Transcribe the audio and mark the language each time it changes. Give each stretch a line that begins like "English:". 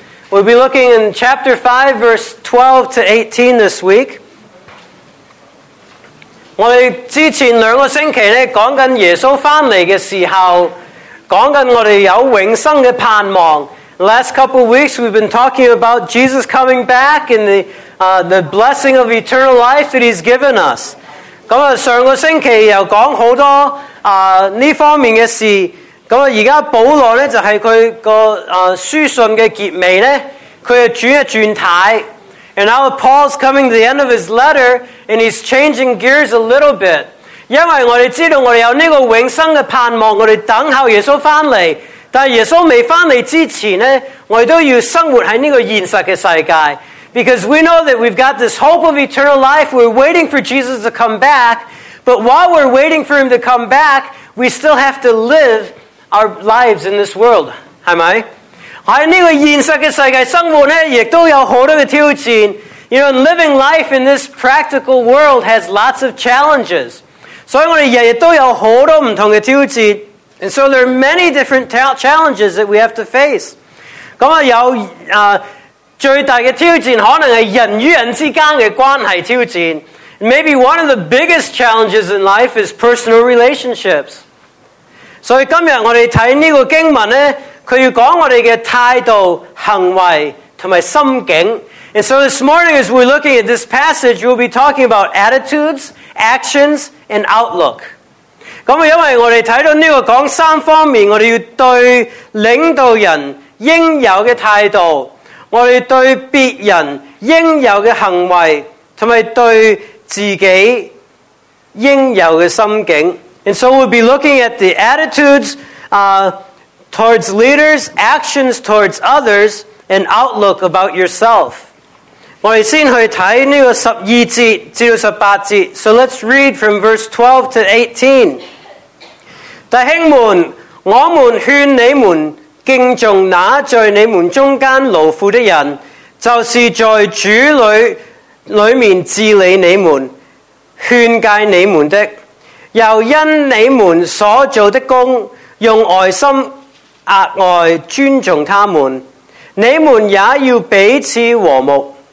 English: We'll be looking in chapter 5, verse 12 to 18 this week.
Cantonese: 我们之前两个星期呢讲紧耶稣翻嚟嘅时候，讲紧我哋有永生嘅盼望。
English: Last couple of weeks we've been talking about Jesus coming back and the blessing of eternal life that He's given us.
Cantonese: 咁啊，上个星期又讲好多呢方面嘅事。咁啊，而家保罗咧就系佢个书信嘅结尾咧，佢又转一转态。
English: And now Paul's coming to the end of his letter, and he's changing gears a little bit.
Cantonese: 因为我们知道我们有这个永生的盼望，我们等候耶稣回来。但耶稣没回来之前呢，我们都要生活在这个现实的世界。
English: Because we know that we've got this hope of eternal life, we're waiting for Jesus to come back, but while we're waiting for him to come back, we still have to live our lives in this world.
Cantonese: 是吗？在这个现实的世界生活呢，也都有很多的挑战。
English: You know, living life in this practical world has lots of challenges.
Cantonese: 所以我们每天都有很多不同的挑战。
English: And so there are many different challenges that we have to face.
Cantonese: 咁啊，有最大的挑战可能是人与人之间的关系挑战。
English: Maybe one of the biggest challenges in life is personal relationships.
Cantonese: 所以今天我们看这个经文呢，他要讲我们的态度、行为和心境。
English: And so this morning as we're looking at this passage, we'll be talking about attitudes, actions, and outlook.
Cantonese: 因为我们看到这个讲三方面，我们要对领导人应有的态度，我们对别人应有的行为，和对自己应有的心境。
English: And so we'll be looking at the attitudes, towards leaders, actions towards others, and outlook about yourself.
Cantonese: 我们先去看这个十二节至十八节。
English: So let's read from verse 12 to 18.
Cantonese: 弟兄们，我们劝你们敬重那在你们中间劳苦的人，就是在主里面治理你们、劝戒你们的，又因你们所做的工，用爱心额外尊重他们，你们也要彼此和睦。